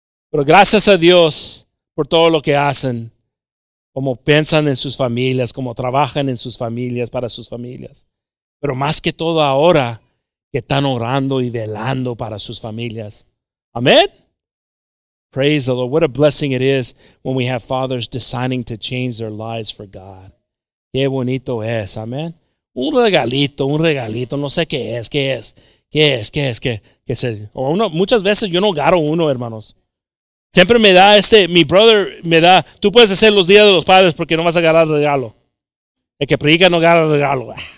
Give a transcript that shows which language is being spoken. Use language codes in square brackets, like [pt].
[es] Pero gracias a Dios por todo lo que hacen. Como piensan en sus familias, como trabajan en sus familias, para sus familias. Pero más que todo ahora, que están orando y velando para sus familias. [en] Amen. Praise the Lord. What a blessing it is when we have fathers deciding to change their lives for God. [es] Qué bonito es. Amen. Un regalito, no sé qué es, qué es, qué es, qué es, qué es. Muchas veces yo no agarro uno, hermanos. Siempre me da mi brother me da, tú puedes hacer los días de los padres porque no vas a agarrar regalo. El que predica no agarra regalo.